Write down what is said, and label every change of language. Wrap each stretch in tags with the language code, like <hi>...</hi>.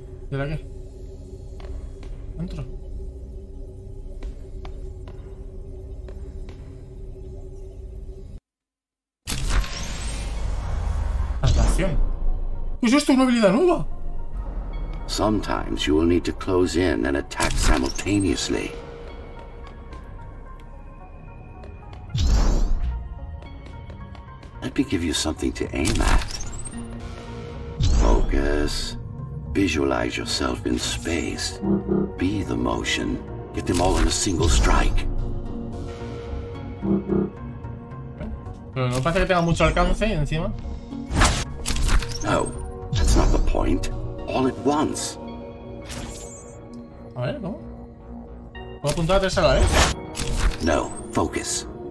<es>¿Y ahora qué? Entro. ¿Es esto una habilidad nueva?</es> <en>Sometimes you will need to close in and attack simultaneously. Let me give you something to aim at. Focus. Visualize yourself in space. Be the motion. Get them all in a single strike.</en> <es>Pero no parece que tenga mucho alcance encima.</es> <en>No. That's not the point. All at once.</en> <es>A ver, ¿cómo? ¿Puedo apuntar a tres a la vez?</es> <en>No, focus.</en>